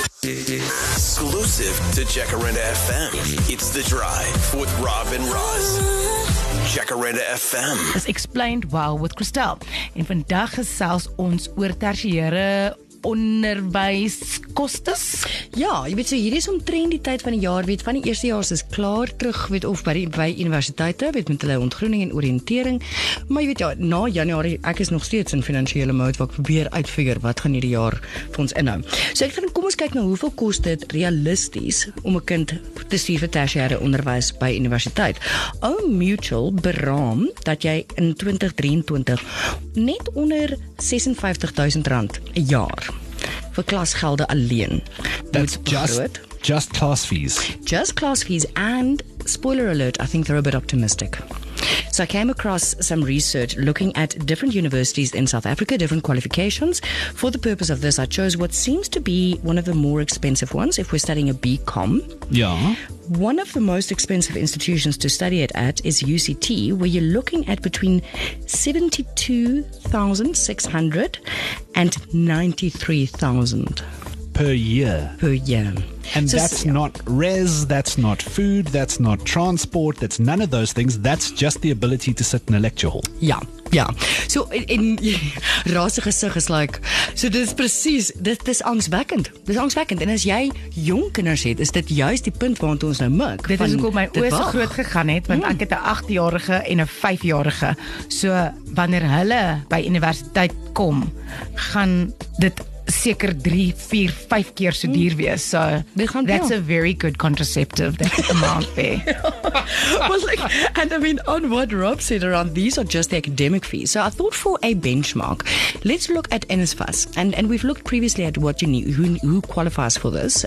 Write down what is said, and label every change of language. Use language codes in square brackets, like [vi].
[en] Exclusive to Jacaranda FM, it's The Drive with Rob and Roz. Jacaranda FM. As explained well with Christelle. [af] En vandag gesels ons oor tersiêre onderwys. Kostes? Ja, jy weet so, hierdie is omtrent die tyd van die jaar, weet, van die eerste jaar is klaar terug, weet, of by universiteite, weet, met hulle ontgroening en oriëntering, maar jy weet, ja, na januari, ek is nog steeds in financiële mode, waar ek probeer uitfigure, wat gaan hierdie jaar vir ons inhou. So ek vind, kom ons kyk nou, hoeveel kost dit realisties, om 'n kind te stuur vir tersiêre onderwys by universiteit? Old Mutual beraam, dat jy in 2023, net onder R56,000 'n jaar, vir klasgelde alleen. [en] That's just class fees. Just class fees and, spoiler alert, I think they're a bit optimistic. So I came across some research looking at different universities in South Africa, different qualifications. For the purpose of this, I chose what seems to be one of the more expensive ones if we're studying a BCom. Yeah. One of the most expensive institutions to study it at is UCT, where you're looking at between 72,600 and 93,000. Per year. And so, that's not res, that's not food, that's not transport, that's none of those things. That's just the ability to sit in a lecture hall. [af] Yeah. Ja, so in rase gesig is like, so dit is precies, dit is angswekkend, en as jy jong kinders het, is dit juist die punt waar ons nou mik. Dit is ook hoe my oor so groot gegaan het, want ek het 'n 8-jarige en 'n 5-jarige, so wanneer hulle by universiteit kom, gaan dit seker 3, 4, 5 keer so duur wees. [en] So, that's a very good contraceptive, that amount there. Well, like, and I mean, on what Rob said around, these are just the academic fees. So I thought for a benchmark, let's look at NSFAS. And we've looked previously at what you need, who qualifies for this.